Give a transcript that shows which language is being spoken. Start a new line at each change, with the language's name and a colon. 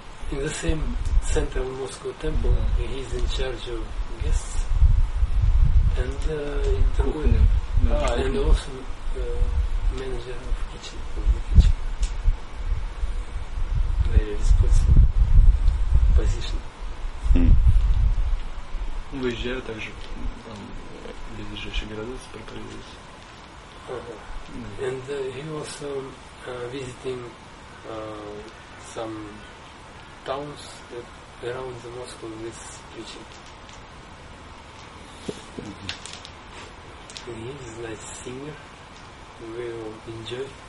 English: In the same center of Moscow temple, he's in charge of guests. And in the cooking. And also manager of kitchen, Very responsible position.
Russian: Выезжаю также, там, ближайшие города, проповедуюсь.
English: And he also visiting some towns around the Moscow with preaching. He's a nice singer. We all enjoy.